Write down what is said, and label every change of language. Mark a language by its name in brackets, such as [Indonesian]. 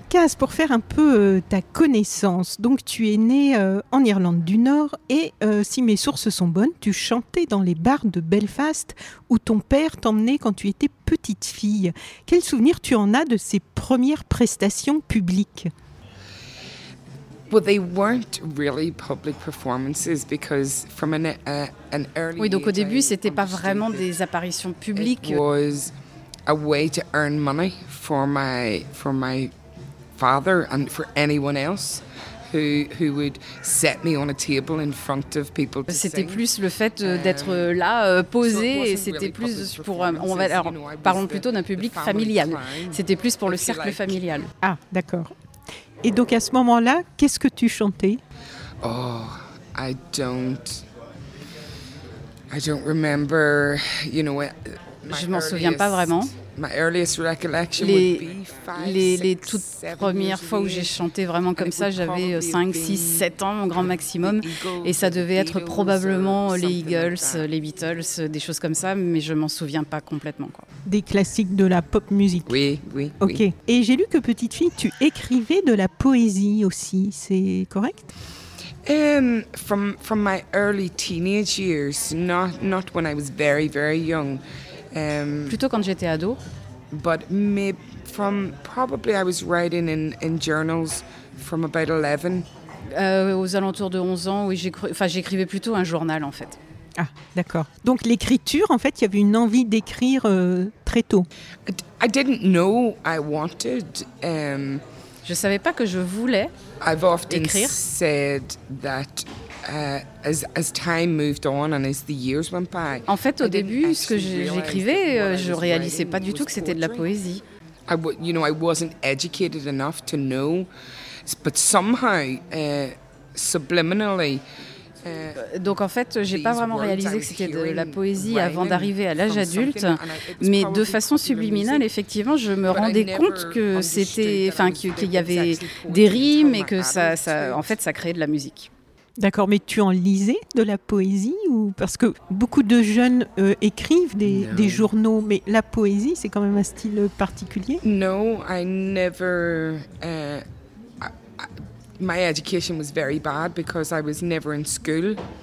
[French] Kaz, pour faire un peu ta connaissance, donc tu es née en Irlande du Nord et si mes sources sont bonnes, tu chantais dans les bars de Belfast où ton père t'emmenait quand tu étais petite fille. Quel souvenir tu en as de ces premières prestations publiques ? [English] Well, they weren't really public performances because from an early [French] oui, donc au début, c'était pas vraiment des apparitions publiques. [English] It was a way to earn money for my father and for anyone else who would set me on a table in front of people. [French] C'était plus le fait d'être là posé et c'était plus pour on va alors parlons plutôt d'un public familial. C'était plus pour le cercle familial. Ah, d'accord. Et donc à ce moment-là, qu'est-ce que tu chantais ? [English] Oh, I don't remember, you know. [French] Je m'en souviens pas vraiment. [English] My earliest recollection would be 5, 6, 7 years. [French] Les toutes premières fois où j'ai chanté vraiment comme ça, j'avais 5, 6, 7 ans au grand maximum. Et ça devait être probablement les Eagles, les Beatles, des choses comme ça, mais je m'en souviens pas complètement. Quoi. Des classiques de la pop musique. Oui, oui. Ok. Oui. Et j'ai lu que petite fille, tu écrivais de la poésie aussi, c'est correct ? [English] From my early teenage years, not when I was very, very young. [French] Plutôt quand j'étais ado. [English] But from probably I was writing in journals from about 11. [French] Aux alentours de 11 ans, oui, j'écrivais plutôt un journal en fait. Ah, d'accord. Donc l'écriture, en fait, il y avait une envie d'écrire très tôt. [English] I didn't know I wanted. [French] Je savais pas que je voulais écrire. [English] I've often said that. As time moved on and as the years went by. [French] En fait, au début, ce que j'écrivais, je réalisais pas du tout que c'était de la poésie. [English] I wasn't educated enough to know, but somehow, subliminally. [French] Donc en fait, j'ai pas vraiment réalisé que c'était de la poésie avant d'arriver à l'âge adulte, mais de façon subliminale, effectivement, je me rendais compte que c'était, enfin, qu'il y avait des rimes et que ça, en fait, ça créait de la musique. D'accord, mais tu en lisais de la poésie ou parce que beaucoup de jeunes écrivent des journaux, mais la poésie c'est quand même un style particulier. [English] No, I never. My education was very bad because I was never in school.